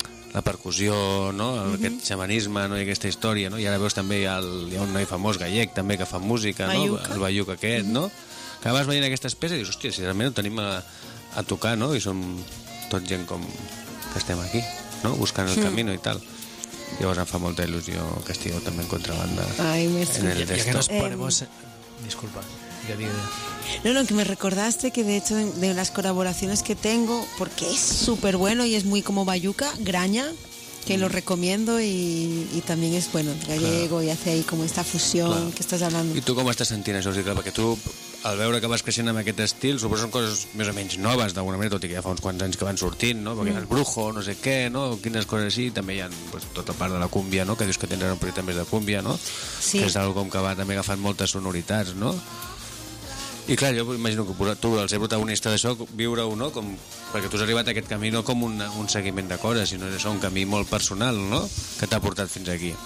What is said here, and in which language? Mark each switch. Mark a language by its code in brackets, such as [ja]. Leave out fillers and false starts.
[ca] la percussió, no?, aquest xamanisme, no?, i aquesta història, no?, i ara veus també hi ha un noi famós gallec també que fa música, no?, Bayuca. El Bayuca aquest, no?, que vas veient aquestes peces i dius, hòstia, si realment ho tenim a tocar, no?, i som tot gent com que estem aquí, no?, buscant el camí i tal. Llavors em fa molta il·lusió que estigueu també en contrabanda. Ai, més [es] que... Ja que nos ponemos... Disculpa, [ca] ja digue... [es] No, no, que me recordaste que de hecho de las colaboraciones que tengo, porque es súper bueno y es muy como Bayuca, Graña, que lo recomiendo y también es bueno, gallego, claro. Y hace ahí como esta fusión, claro. Que estás hablando. ¿Y tú cómo estás [ca] sentint això? O sigui, clar, perquè tu, al veure que vas creixent amb aquest estil, suposo que són coses més o menys noves d'alguna manera, tot i que ja fa uns quants anys que van sortint, no? Perquè el Brujo, no sé què, no? Quines coses així, també hi ha pues, tota part de la cúmbia, no? Que dius que tens un projecte més de cúmbia, no? Sí. Que és algo com que va també agafant moltes sonoritats, no? I clar, jo imagino que tu, al ser protagonista d'això, viure-ho, no?, com, perquè tu has arribat a aquest camí no com un seguiment de coses, sinó és un camí molt personal, no?, que t'ha portat fins aquí.